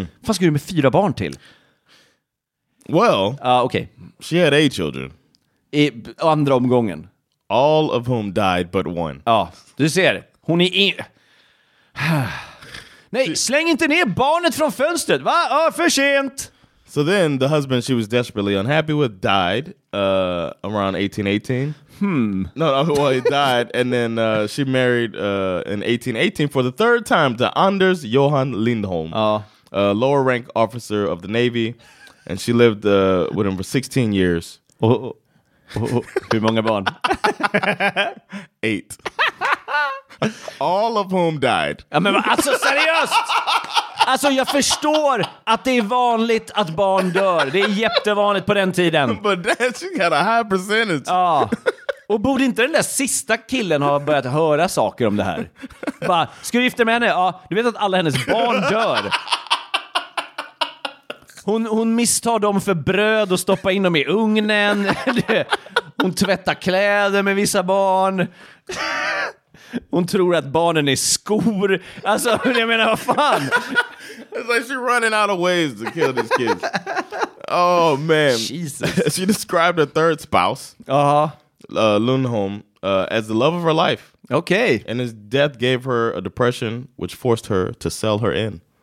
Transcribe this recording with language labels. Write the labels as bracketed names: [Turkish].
[Swedish] Vad ska du med 4 barn till? [English] Well, okay. She had 8 children. [Swedish] I andra omgången. [English] All of whom died but one. [Swedish] Ja, du ser, hon är in... Nej, släng inte ner barnet från fönstret. Va? Ja, för sent. [English] So then the husband she was desperately unhappy with died around 1818. Hmm. No, well, he died. And then she married in 1818 for the third time to Anders Johan Lindholm, a lower rank officer of the Navy. And she lived with him for 16 years. [Swedish] Hur många barn? [English] 8. All of whom died. [Swedish] Ja, men alltså, seriöst? Alltså, jag förstår att det är vanligt att barn dör. Det är jättevanligt på den tiden. [English] But that, she got a high percentage. [Swedish] Ja. Och borde inte den där sista killen ha börjat höra saker om det här? Bara, ska du gifta med henne? Ja, du vet att alla hennes barn dör. Hon misstar dem för bröd och stoppar in dem i ugnen. Hon tvättar kläder med vissa barn. Hon tror att barnen är skor. Alltså, jag menar, vad fan? [English] It's like she's running out of ways to kill these kids. Oh, man. Jesus. She described her third spouse, Lundholm, as the love of her life. Okay. And his death gave her a depression, which forced her to sell her in.